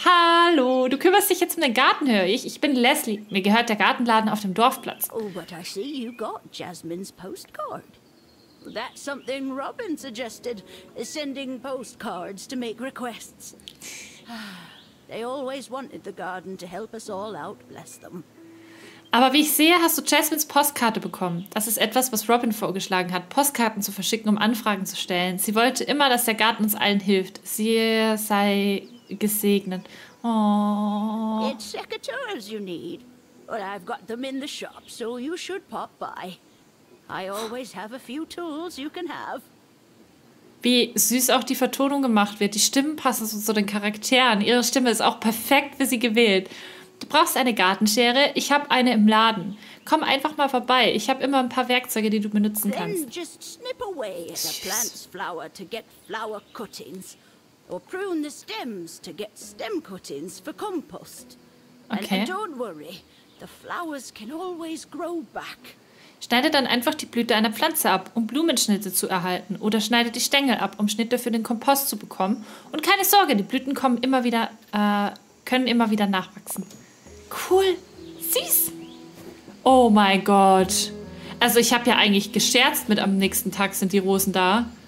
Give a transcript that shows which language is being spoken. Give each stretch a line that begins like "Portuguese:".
German: Hallo, du kümmerst dich jetzt um den Garten, höre ich. Ich bin Leslie. Mir gehört der Gartenladen auf dem Dorfplatz.
English: Oh, but I see you got Jasmine's postcard. That's something Robin suggested, sending postcards to make requests. They always wanted the garden to help us all out, bless them.
German: Aber wie ich sehe, hast du Jasmines Postkarte bekommen. Das ist etwas, was Robin vorgeschlagen hat, Postkarten zu verschicken, um Anfragen zu stellen. Sie wollte immer, dass der Garten uns allen hilft. Sie sei gesegnet. Oh.
English: It's secateurs you need. Well, I've got them in the shop, so you should pop by. I always have a few tools you can have.
German: Wie süß auch die Vertonung gemacht wird. Die Stimmen passen so zu den Charakteren. Ihre Stimme ist auch perfekt für sie gewählt. Du brauchst eine Gartenschere? Ich habe eine im Laden. Komm einfach mal vorbei. Ich habe immer ein paar Werkzeuge, die du benutzen kannst.
English: Then just snip away at a plant's flower to get flower cuttings. Or prune the stems to get stem cuttings for compost. Okay. And don't worry, the flowers can always grow back.
German: Schneide dann einfach die Blüte einer Pflanze ab, um Blumenschnitte zu erhalten. Oder schneide die Stängel ab, um Schnitte für den Kompost zu bekommen. Und keine Sorge, die Blüten kommen immer wieder... können immer wieder nachwachsen. Cool. Süß. Oh mein Gott. Also ich habe ja eigentlich gescherzt mit am nächsten Tag sind die Rosen da.